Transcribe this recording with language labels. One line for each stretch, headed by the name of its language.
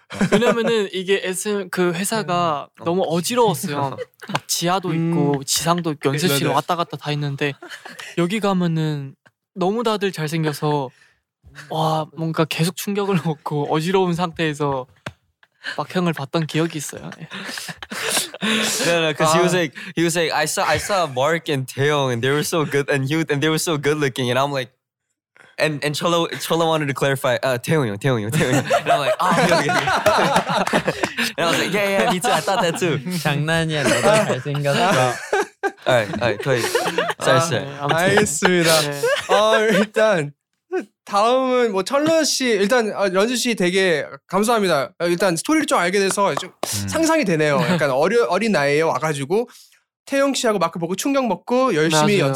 Korean: 왜냐면은 이게 SM 그 회사가 너무 어지러웠어요. 지하도 있고 지상도 있고 연습실 왔다 갔다 다 있는데 여기 가면은 너무 다들 잘생겨서 와 뭔가 계속 충격을 먹고 어지러운 상태에서 막형을 봤던 기억이 있어요.
English: No, no, because he was like, I saw Mark and Taeyong, and they were so good, and they were so good looking, and I'm like, and Cholo wanted to clarify, Taeyong, and I'm like, ah, oh, and I was like, yeah, me too, I thought that too.
Korean: 장난이야, 너도 잘생겼어. Alright, 거의, 잘했어. 알겠습니다. 일단 다음은 뭐 철러 씨, 일단 런쥔 씨 되게 감사합니다. 일단 스토리를 좀 알게 돼서 좀 상상이 되네요. 약간 어린 나이에 와가지고 태용 씨하고 마크 보고 충격 먹고 열심히 맞아요.